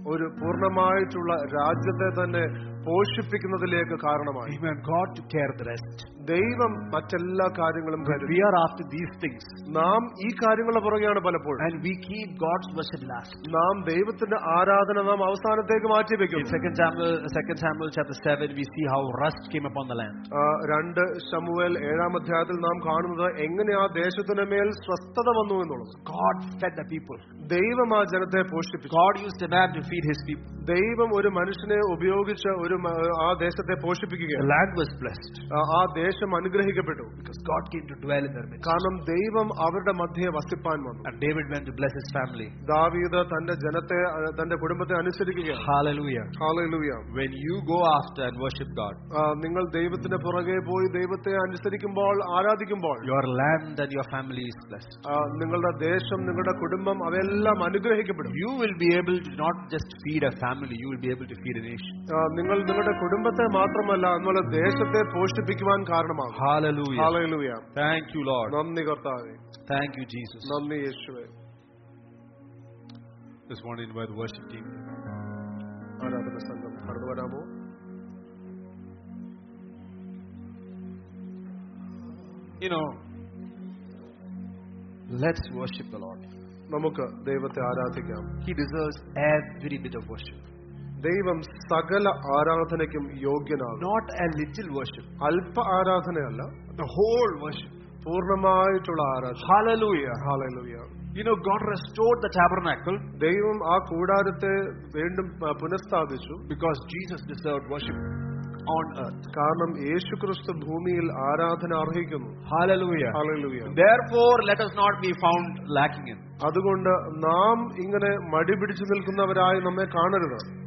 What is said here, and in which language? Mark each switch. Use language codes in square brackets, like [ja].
[ml] ഒരു പൂർണ്ണമായിട്ടുള്ള രാജ്യത്തെ തന്നെ പോഷിപ്പിക്കുന്നതിലേക്ക് കാരണമായി. [en] He got to care the rest. [ml] ദൈവം മറ്റെല്ലാ കാര്യങ്ങളും കരുതി. [en] We are after these things. [ml] നാം ഈ കാര്യങ്ങളെ പുറകെയാണ് പലപ്പോഴും. [en] And we keep God's worship last. [ml] നാം ദൈവത്തിന്റെ ആരാധന നാം അവസാനത്തേക്ക് മാറ്റി വെക്കും. [en] Second Samuel chapter 7 we see how rust came upon the land. [ml] 2 ശമൂവേൽ 7 അധ്യായത്തിൽ നാം കാണുന്നത് എങ്ങനെ ആ ദേശത്തിന്മേൽ സ്വസ്ഥത വന്നു എന്നുള്ളത്. [en] God fed the people. [ml] ദൈവം ആ ജനത്തെ പോഷിപ്പിച്ചു. [en] God used a man to feed his people. [ml] ദൈവം ഒരു മനുഷ്യനെ ഉപയോഗിച്ച് ഒരു ആ ദേശത്തെ പോഷിപ്പിക്കുകയാണ്. [en] The land was blessed. [ml] ആ ദേശം അനുഗ്രഹിക്കപ്പെട്ടു. [en] Because God came to dwell in their midst. [ml] കാരണം ദൈവം അവരുടെ മധ്യേ വസിപ്പാൻ വന്നു. [en] And David went to bless his family. [ml] ദാവീദ് തന്റെ ജനത്തെ തന്റെ കുടുംബത്തെ അനുസരിക്കുകയാണ്. [en] Hallelujah. Hallelujah. When you go after and worship God. [ml] നിങ്ങൾ ദൈവത്തിന്റെ പുറകെ പോയി ദൈവത്തെ അനുസരിക്കുമ്പോൾ ആരാധിക്കുമ്പോൾ [en] your land and your family is blessed. [ml] നിങ്ങളുടെ ദേശം നിങ്ങളുടെ കുടുംബം അവയെല്ലാം അനുഗ്രഹിക്കപ്പെടും. [en] You will be able to not just feed a family, you will be able to feed a nation. [ml] നിങ്ങൾ നിങ്ങളുടെ കുടുംബത്തെ മാത്രമല്ല നിങ്ങളുടെ ദേശത്തെ പോഷിപ്പിക്കുവാൻ കാരണമാകും. [en] Hallelujah. Hallelujah. Thank you Lord. [ml] നന്ദി കർത്താവേ. [en] Thank you Jesus. [ml] നന്ദി യേശുവേ. [en] Just want to invite the worship team. [ml] ആരാധന സംഘം പാടുവരാമോ? [en] You know, let's worship the Lord. [ml] നമുക്ക് ദൈവത്തെ ആരാധിക്കാം. [en] He deserves every bit of worship. [ml] ദൈവം സകല ആരാധനയ്ക്കും യോഗ്യനാണ്. [en] Not a little worship. [ml] അല്പ ആരാധനയല്ല, [en] the whole worship. [ml] പൂർണ്ണമായിട്ടുള്ള ആരാധന. [en] Hallelujah. Hallelujah. You know, God restored the tabernacle. [ml] ദൈവം ആ കൂടാരത്തെ വീണ്ടും പുനഃസ്ഥാപിച്ചു. [en] Because Jesus deserved worship on earth. [ml] കാരണം യേശുക്രിസ്തു ഭൂമിയിൽ ആരാധന അർഹിക്കുന്നു. [en] Hallelujah. Hallelujah. Therefore, let us not be found lacking in. [ml] അതുകൊണ്ട് നാം ഇങ്ങനെ മടിപിടിച്ചു നിൽക്കുന്നവരായി നമ്മെ കാണരുത്.